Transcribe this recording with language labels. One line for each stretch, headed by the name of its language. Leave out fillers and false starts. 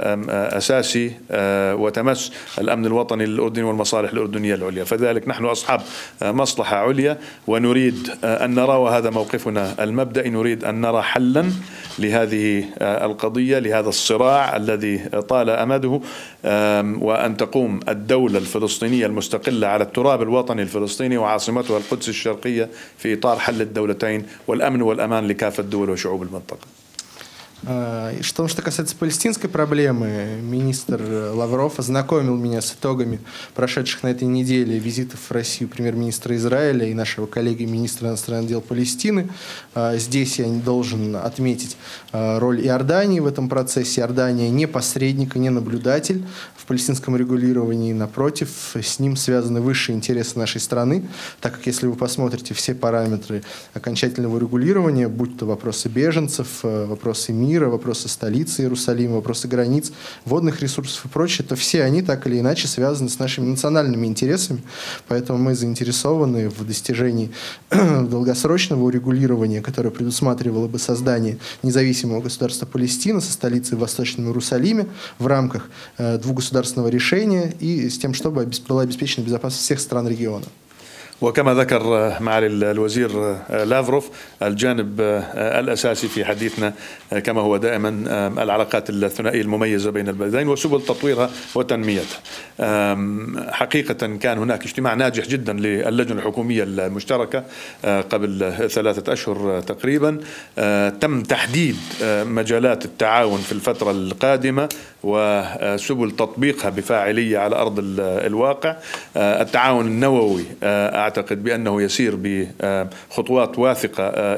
Arabic: أساسي وتمس الأمن الوطني الأردني والمصالح الأردنية العليا فذلك نحن أصحاب مصلحة عليا ونريد أن نرى وهذا موقفنا المبدأ نريد أن نرى حلا لهذه القضية لهذا الصراع الذي طال أمده وأن تقوم الدولة الفلسطينية المستقلة على التراب الوطني الفلسطيني وعاصمتها القدس الشرقية في إطار حل الدولتين والأمن والأمان لكافة الدول وشعوب المنطقة
Russian: Что касается палестинской проблемы, министр Лавров ознакомил меня с итогами прошедших на этой неделе визитов в Россию премьер-министра Израиля и нашего коллеги министра иностранных дел Палестины. Здесь я должен отметить роль Иордании в этом процессе. Иордания не посредник и не наблюдатель в палестинском регулировании. Напротив, с ним связаны высшие интересы нашей страны, так как если вы посмотрите все параметры окончательного регулирования, будь то вопросы беженцев, вопросы мира, вопросы столицы Иерусалима, вопросы границ, водных ресурсов и прочее, то все они так или иначе связаны с нашими национальными интересами. Поэтому мы заинтересованы в достижении долгосрочного урегулирования, которое предусматривало бы создание независимого государства Палестина со столицей в Восточном Иерусалиме в рамках двугосударственного решения и с тем, чтобы была обеспечена безопасность всех стран региона.
Arabic: وكما ذكر معالي الوزير لافروف الجانب الأساسي في حديثنا كما هو دائما العلاقات الثنائية المميزة بين البلدين وسبل تطويرها وتنميتها حقيقة كان هناك اجتماع ناجح جدا للجنة الحكومية المشتركة قبل 3 أشهر تقريبا تم تحديد مجالات التعاون في الفترة القادمة وسبل تطبيقها بفاعلية على أرض الواقع التعاون النووي أعتقد بأنه يسير بخطوات واثقة